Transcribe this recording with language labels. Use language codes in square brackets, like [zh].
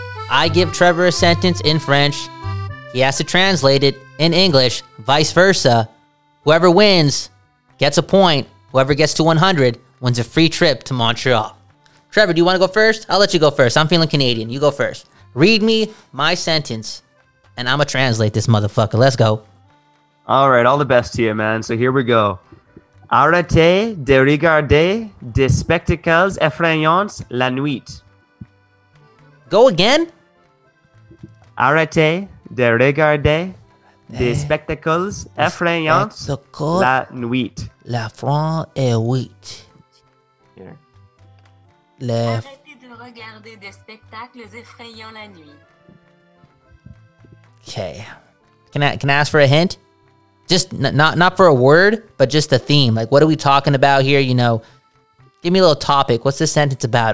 [en] I give Trevor a sentence in French. He has to translate it in English, vice versa. Whoever wins gets a point. Whoever gets to 100 wins a free trip to Montreal. Trevor, do you want to go first? I'll let you go first. I'm feeling Canadian. You go first. Read me my sentence, and I'm going to translate this motherfucker. Let's go. All right. All the best to you, man. So here we go. [fr] Arrêtez de regarder des spectacles effrayants la nuit. [en] Go again? [fr] Arrêtez. De regarder des spectacles effrayants la nuit. La France est huit. Yeah. Arrêtez de regarder des spectacles effrayants la nuit. [en] Okay. Can I ask for a hint? Just not for a word, but just a theme. Like, what are we talking about here? You know, give me a little topic. What's this sentence about?